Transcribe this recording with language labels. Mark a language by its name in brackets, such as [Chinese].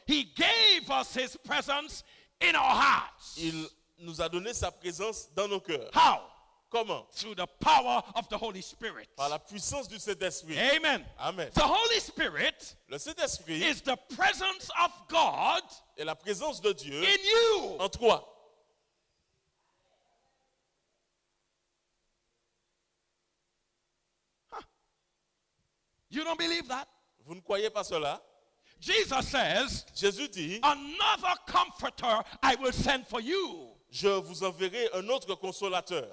[English] He gave us His presence in our hearts. [French] Il nous a donné sa présence dans nos cœurs. [English] How? [French] Comment? [English] Through the power of the Holy Spirit. [French] Par la puissance du Saint-Esprit. [English] Amen. [French] Amen. [English] The Holy Spirit. [French] Le Saint-Esprit. [English] Is the presence of God. [French] Et la présence de Dieu. [English] In you. [French] En toi. [English] Huh. You don't believe that? [French] Vous ne croyez pas cela? [English] Jesus says, [French] Jésus dit, [English] another comforter I will send for you. [French] Je vous enverrai un autre consolateur.